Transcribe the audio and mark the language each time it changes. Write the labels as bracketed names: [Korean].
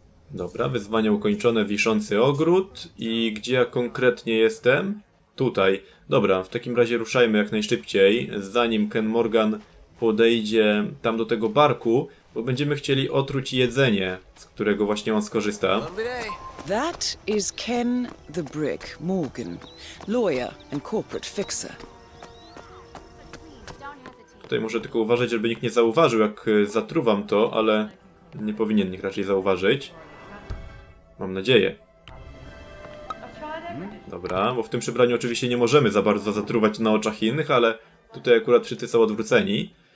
[Polish] Dobra, wyzwanie ukończone, wiszący ogród. I gdzie ja konkretnie jestem? Tutaj. Dobra, w takim razie ruszajmy jak najszybciej, zanim Ken Morgan podejdzie tam do tego barku, bo będziemy chcieli otruć jedzenie, z którego właśnie on skorzysta. [English] That is Ken the Brick Morgan, lawyer and corporate fixer. [Polish] Tutaj muszę tylko uważać, żeby nikt nie zauważył, jak zatruwam to, ale nie powinien nikt raczej zauważyć. Mam nadzieję. Dobra, bo w tym przebraniu oczywiście nie możemy za bardzo zatruwać na oczach innych, ale tutaj akurat wszyscy są odwróceni.